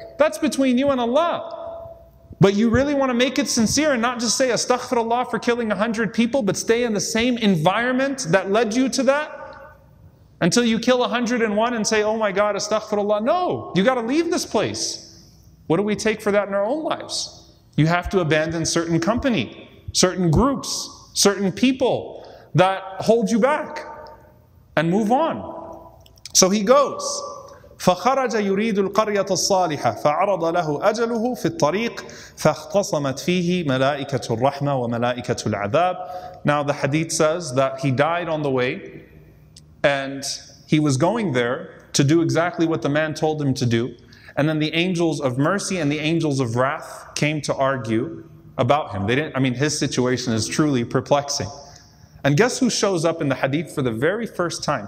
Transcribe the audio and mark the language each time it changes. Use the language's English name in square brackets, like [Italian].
[English] That's between you and Allah. But you really want to make it sincere and not just say astaghfirullah for killing 100 people, but stay in the same environment that led you to that until you kill 101 and say, oh my God, astaghfirullah. No, you got to leave this place. What do we take for that in our own lives? You have to abandon certain company, certain groups, certain people that hold you back and move on. So he goes. [Arabic] فخرج يريد القرية الصالحة فعرض له أجله في الطريق فاختصمت فيه ملائكة الرحمة وملائكة العذاب. [English] Now the hadith says that he died on the way and he was going there to do exactly what the man told him to do. And then the angels of mercy and the angels of wrath came to argue about him. They didn't, I mean, his situation is truly perplexing. And guess who shows up in the hadith for the very first time?